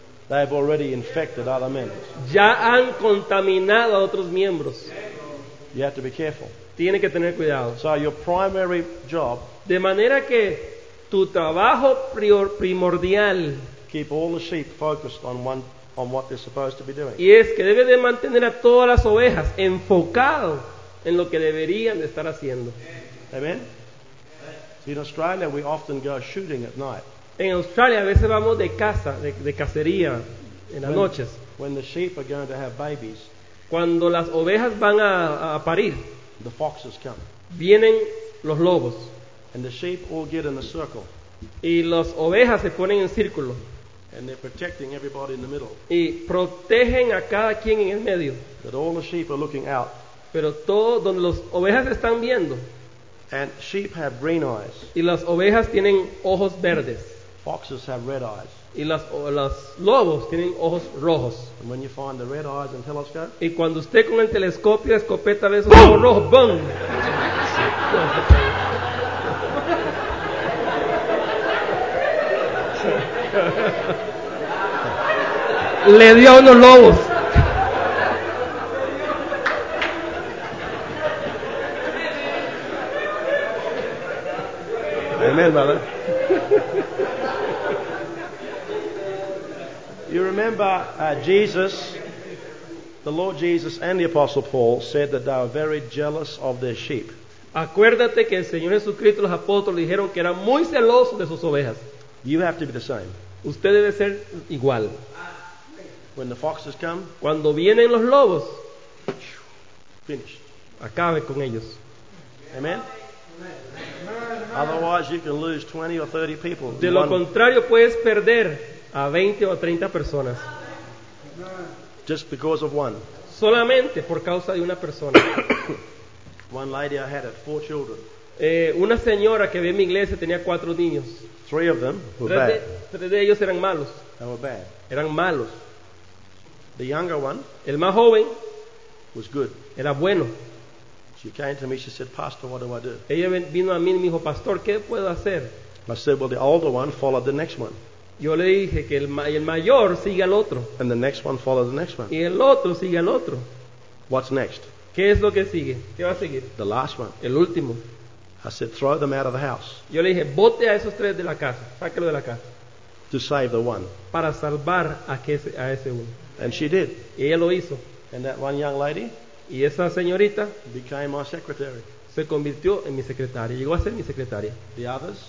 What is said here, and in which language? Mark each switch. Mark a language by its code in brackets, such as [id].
[en] They have already infected other members. [es] Ya han contaminado a otros miembros. [en] You have to be careful. [es] Tiene que tener cuidado. [en] So your primary job. [es] De manera que tu trabajo primordial. [en] Keep all the sheep focused on what they're supposed to be doing. [es] Y es que debe de mantener a todas las ovejas enfocado en lo que deberían de estar haciendo. [en] Amen. So in Australia, we often go shooting at night. [es] En Australia a veces vamos de caza, de cacería en las noches. [en] When the sheep are going to have babies. [es] Cuando las ovejas van a parir. [en] The foxes come. [es] Vienen los lobos. [en] And the sheep all get in a circle. [es] Y las ovejas se ponen en círculo. [en] And they're protecting everybody in the middle. [es] Y protegen a cada quien en el medio. [en] But all the sheep are looking out. [es] Pero todo donde las ovejas están viendo. [en] And sheep have green eyes. [es] Y las ovejas tienen ojos verdes. [en] Foxes have red eyes. [es] Y las lobos tienen ojos rojos. [en] And when you find the red eyes in telescope, [es] y cuando usted con el telescopio la escopeta ve esos ¡boom! Ojos rojos, ¡boom! Le dio a unos lobos. [en] Amen, brother. You remember Jesus, the Lord Jesus and the Apostle Paul said that they were very jealous of their sheep. [es] Acuérdate que el Señor Jesucristo y los apóstoles dijeron que eran muy celosos de sus ovejas. [en] You have to be the same. [es] Usted debe ser igual. [en] When the foxes come, [es] cuando vienen los lobos, [en] finished. [es] Acabe con ellos. [en] Amen. Amen. Otherwise, you can lose 20 or 30 people. [es] De lo contrario, puedes perder a 20 o 30 personas. [en] Just because of one. [es] Solamente por causa de una persona. [en] One lady I had had 4 children. [es] Una señora que vi en mi iglesia tenía 4 niños. [en] 3 of them were bad. [es] 3 de ellos eran malos. [en] They were bad. [es] Eran malos. [en] The younger one, [es] el más joven, [en] was good. [es] Era bueno. [en] She came to me. She said, "Pastor, what do I do?" [es] Ella vino a mí y me dijo, "Pastor, ¿qué puedo hacer?" [en] I said, "Well, the older one followed the next one." [es] Yo le dije que el mayor sigue al otro. [en] And the next one followed the next one. [es] Y el otro sigue al otro. [en] What's next? [es] ¿Qué es lo que sigue? ¿Qué va a seguir? [en] The last one. [es] El último. [en] I said, "Throw them out of the house." [es] Yo le dije, bote a esos tres de la casa. Sáquelo de la casa. [en] To save the one. [es] Para salvar a ese uno. [en] And she did. [es] Y ella lo hizo. [en] And that one young lady. [es] Y esa señorita [en] became my secretary. [es] Se convirtió en mi secretaria. Llegó a ser mi secretaria. [en] The others,